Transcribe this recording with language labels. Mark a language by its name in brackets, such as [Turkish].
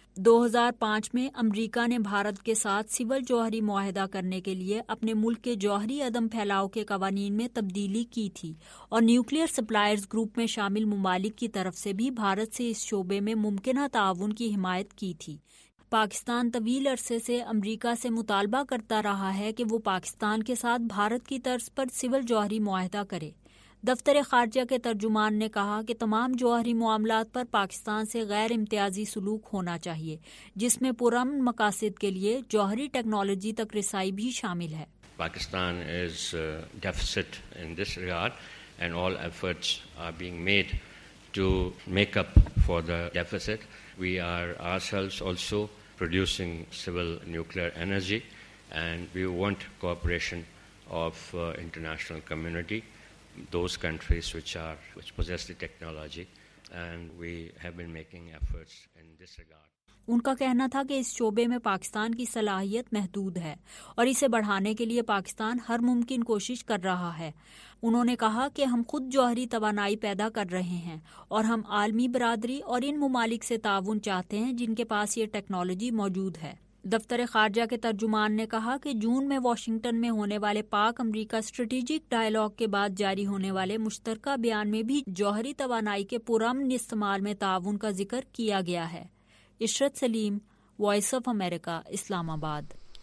[Urdu] 2005 میں امریکہ نے بھارت کے ساتھ سول جوہری معاہدہ کرنے کے لیے اپنے ملک کے جوہری عدم پھیلاؤ کے قوانین میں تبدیلی کی تھی، اور نیوکلیئر سپلائرز گروپ میں شامل ممالک کی طرف سے بھی بھارت سے اس شعبے میں ممکنہ تعاون کی حمایت کی تھی۔ پاکستان طویل عرصے سے امریکہ سے مطالبہ کرتا رہا ہے کہ وہ پاکستان کے ساتھ بھارت کی طرز پر سول جوہری معاہدہ کرے۔ دفتر خارجہ کے ترجمان نے کہا کہ تمام جوہری معاملات پر پاکستان سے غیر امتیازی سلوک ہونا چاہیے، جس میں پرامن مقاصد کے لیے جوہری ٹیکنالوجی تک رسائی بھی شامل ہے۔ [English] Pakistan is deficit in this regard and all efforts are being made to make up for the deficit. We are ourselves also producing civil nuclear energy and we want cooperation of international community, those countries which possess the technology, and we have been making efforts in this regard. [Urdu] ان کا کہنا تھا کہ اس شعبے میں پاکستان کی صلاحیت محدود ہے اور اسے بڑھانے کے لیے پاکستان ہر ممکن کوشش کر رہا ہے۔ انہوں نے کہا کہ ہم خود جوہری توانائی پیدا کر رہے ہیں اور ہم عالمی برادری اور ان ممالک سے تعاون چاہتے ہیں جن کے پاس یہ ٹیکنالوجی موجود ہے۔ دفتر خارجہ کے ترجمان نے کہا کہ جون میں واشنگٹن میں ہونے والے پاک امریکہ اسٹریٹجک ڈائیلاگ کے بعد جاری ہونے والے مشترکہ بیان میں بھی جوہری توانائی کے پرامن استعمال میں تعاون کا ذکر کیا گیا ہے۔ عشرت سلیم، وائس آف امریکہ، اسلام آباد۔